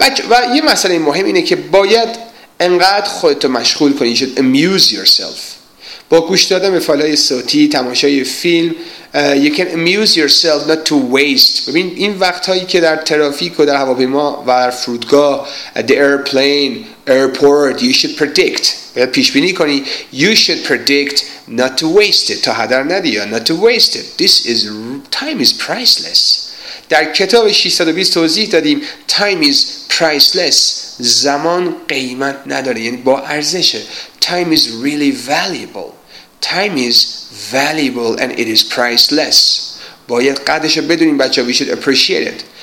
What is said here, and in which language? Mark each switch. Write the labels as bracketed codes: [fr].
[fa] و یه مسئله مهم اینه که باید انقدر خودتو مشغول کنی شد [en] amuse yourself [fa] با گوش دادن به فایل‌های صوتی تماشای فیلم. [en] You can amuse yourself not to waste. [fa] ببین این وقت‌هایی که در ترافیک و در هواپیما و در فرودگاه [en] at the airplane airport you should predict. [fa] باید پیش بینی کنی. [en] You should predict not to waste it. [fa] تا هدر ندی [en] not to waste it. This is time is priceless. [fa] در کتاب 620 توضیح دادیم [en] time is priceless. [fa] زمان قیمت نداره یعنی با ارزشه. [en] Time is really valuable. Time is valuable and it is priceless. [fa] باید قدرشو بدونیم بچه. [en] We should appreciate it.